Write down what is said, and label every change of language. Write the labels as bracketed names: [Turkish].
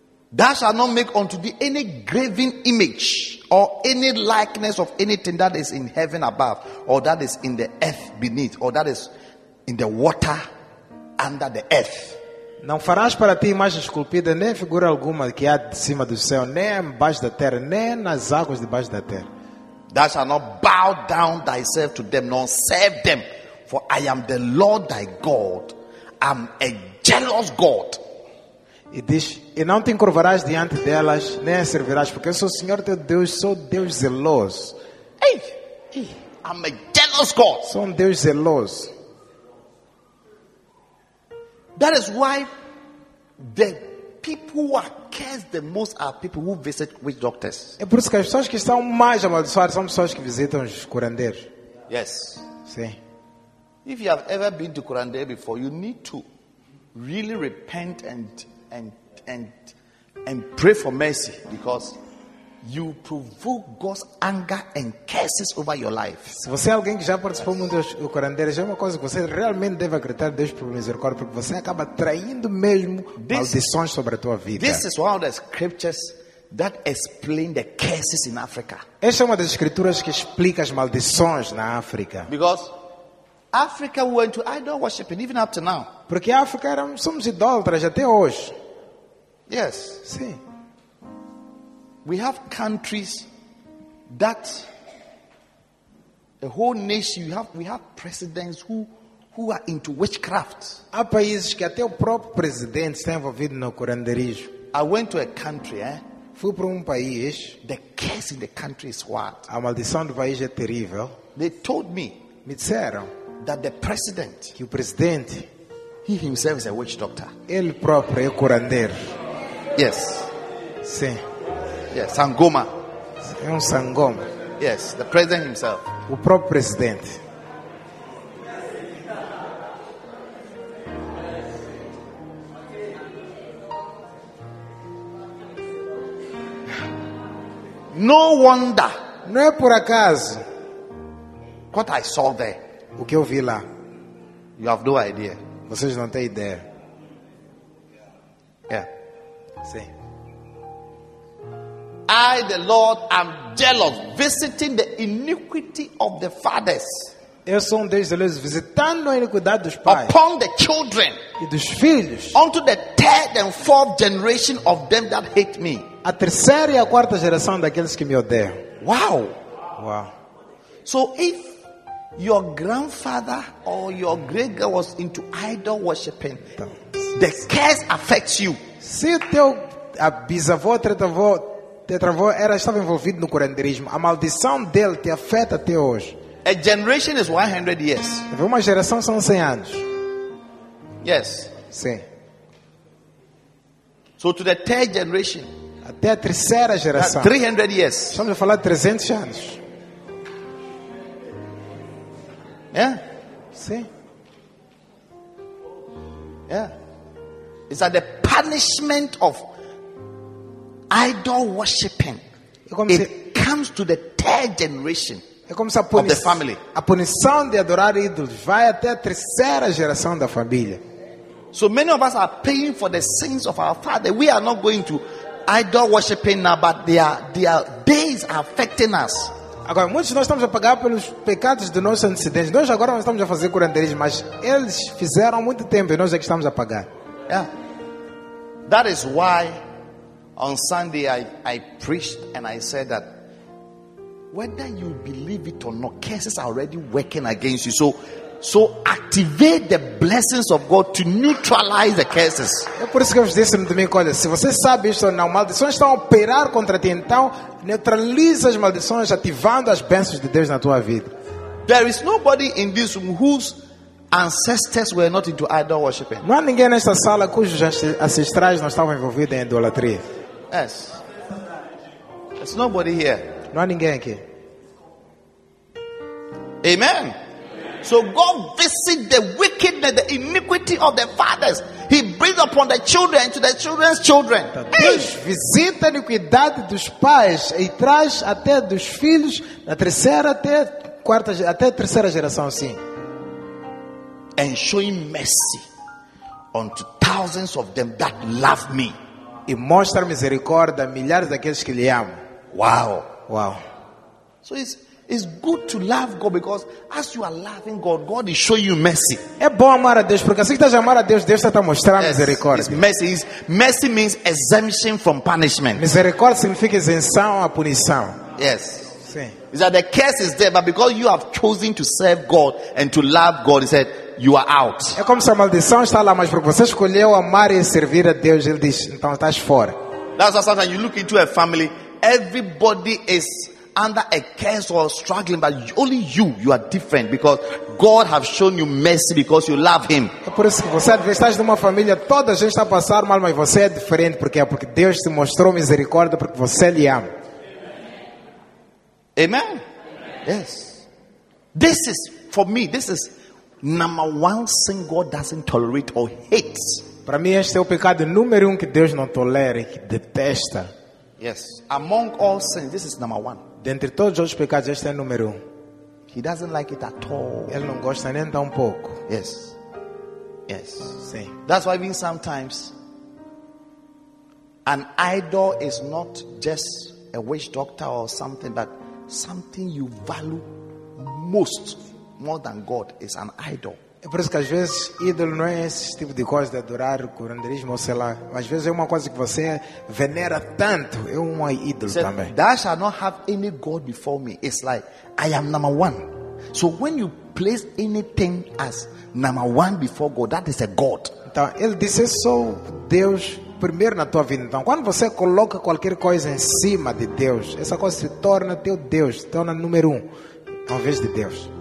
[English] Thou shalt not make unto thee any graven image or any likeness of anything that is in heaven above or that is in the earth beneath or that is in the water under the earth. [Portuguese] Não farás para ti imagem esculpida nem figura alguma que há de cima do céu nem embaixo da terra nem nas águas debaixo da terra. [English] Thou shalt not bow down thyself to them nor serve them, for I am the Lord thy God, I'm a jealous God. [Portuguese] E diz, e não te encurvarás diante delas nem servirás, porque eu sou o Senhor teu Deus, sou Deus zeloso. [English] Hey, I'm a jealous God. [Portuguese] Sou Deus zeloso. [English] That is why the people who are cursed the most are people who visit witch doctors. [Portuguese] É por isso que as pessoas que estão mais amaldiçoadas são pessoas que visitam os curandeiros. [English] Yes. [Portuguese] Sim. [English] If you have ever been to curandeiro before, you need to really repent and pray for mercy, because you provoke God's anger and curses over your life. [Portuguese] Se você é alguém que já participou muito do curandeiro, já é uma coisa que você realmente deve acreditar Deus por misericórdia, porque você acaba traindo mesmo maldições sobre a tua vida. [English] This is one of the scriptures that explain the curses in Africa. [Portuguese] Essa é uma das escrituras que explica as maldições na África. [English] Because Africa went to idol worshiping even up to now. [Portuguese] Porque a África era, somos idólatras até hoje. [English] Yes. [Portuguese] Sim. [English] We have countries that a whole nation, we have presidents who are into witchcraft. [Portuguese] Há países que até o próprio presidente está envolvido no curandeirismo. [English] I went to a country, eh? [Portuguese] Fui para país. [English] The curse in the country is what? [Portuguese] A maldição do país é terrível. [English] They told me. [Portuguese] Me disseram. [English] That the president, [Portuguese] que o presidente, [English] he himself is a witch doctor. [Portuguese] Ele próprio é curandeiro. [English] Yes. [Portuguese] Sim. [English] Yes, sangoma. [Portuguese] É sangoma. [English] Yes, the president himself. [Portuguese] O próprio presidente. [English] No wonder. [Portuguese] Não é por acaso. [English] What I saw there. [Portuguese] O que eu vi lá? [English] You have no idea. [Portuguese] Vocês não têm ideia. [English] Yeah. [Portuguese] Sim. [English] I, the Lord, am jealous, visiting the iniquity of the fathers. [Portuguese] Eu sou Deus zeloso, visitando a iniquidade dos pais. [English] Upon the children. [Portuguese] E dos filhos. [English] Unto the third and fourth generation of them that hate me. [Portuguese] A terceira e a quarta geração daqueles que me odeiam. [English] Wow. Wow. So if your grandfather or your great grandfather was into idol worshiping, the curse affects you. [Portuguese] Se teu bisavô, tetravô estava envolvido no curandeirismo, a maldição dele te afeta até hoje. [English] A generation is 100 years. [Portuguese] Uma geração são 100 anos. [English] Yes. [Portuguese] Sim. [English] So to the third generation. [Portuguese] Até a terceira geração. [English] 300 years. [Portuguese] Estamos a falar de 300 anos. [English] Yeah. [Portuguese] Sim. [English] Yeah. It's that the punishment of idol worshiping. [Portuguese] É como [English] it [Portuguese] se [English] comes to the third generation. [Portuguese] É como se [English] of the family. [Portuguese] A punição de adorar ídolos vai até a terceira geração da família. [English] So many of us are paying for the sins of our father. We are not going to idol worshiping now, but their days are affecting us. [Portuguese] Agora, muitos de nós estamos a pagar pelos pecados dos nossos antecedentes. Nós agora não estamos a fazer curandeirismo, mas eles fizeram há muito tempo e nós é que estamos a pagar. [English] Yeah. That is why on Sunday I preached and I said that whether you believe it or not, curses are already working against you. So activate the blessings of God to neutralize the curses. [Portuguese] É por isso que eu disse no domingo, olha, se você sabe isso ou não, maldições estão a operar contra ti, então neutralize as maldições ativando as bênçãos de Deus na tua vida. [English] There is nobody in this room whose ancestors were not into idol worshiping. [Portuguese] Não há ninguém nesta sala cujos ancestrais não estavam envolvidos em idolatria. [English] Yes. There's nobody here. [Portuguese] Não há ninguém aqui. [English] Amen. So God visits the wickedness, the iniquity of the fathers. He brings upon the children to the children's children. [Portuguese] Deus visita a iniquidade dos pais e traz até dos filhos da terceira até quarta até terceira geração, sim. [English] And showing mercy unto thousands of them that love me. [Portuguese] E mostra misericórdia a milhares daqueles que lhe amam. [English] Wow, wow. So it's good to love God because as you are loving God, God is showing you mercy. [Portuguese] É bom amar a Deus porque assim que estás a amar a Deus, Deus está a mostrar misericórdia. [English] It's mercy. It's, mercy means exemption from punishment. [Portuguese] Misericórdia significa isenção à punição. [English] Yes. [Portuguese] Sim. [English] Is that the curse is there, but because you have chosen to serve God and to love God, he said, you are out. [Portuguese] É como se a maldição está lá, mas porque você escolheu amar e servir a Deus, ele diz, então estás fora. [English] That's why sometimes you look into a family, everybody is under a curse or struggling, but only you are different because God has shown you mercy because you love him. [Portuguese] É por isso que você estás numa família, toda a gente está a passar mal, mas você é diferente porque é porque Deus te mostrou misericórdia porque você lhe ama. [English] Amen. Amen. Yes. This is for me. This is number one sin God doesn't tolerate or hates. [Portuguese] Para mim este é o pecado número um que Deus não tolera e que detesta. [English] Yes. Among all sins, this is number one. [Portuguese] Dentre todos os pecados este é número um. [English] He doesn't like it at all. [Portuguese] Ele não gosta nem tão pouco. [English] Yes. Yes. [Portuguese] Sim. [English] That's why even sometimes an idol is not just a witch doctor or something, but something you value most, more than God, is an idol. [Portuguese] É por isso que às vezes ídolo não é esse tipo de coisa de adorar, curanderismo ou sei lá. Às vezes é uma coisa que você venera tanto, é um ídolo [English] said, [Portuguese] também. [English] Thou shalt not have any god before me. It's like I am number one. So when you place anything as number one before God, that is a god. [Portuguese] Então ele disse só Deus primeiro na tua vida. Então, quando você coloca qualquer coisa em cima de Deus, essa coisa se torna teu Deus, se torna número um, ao invés de Deus.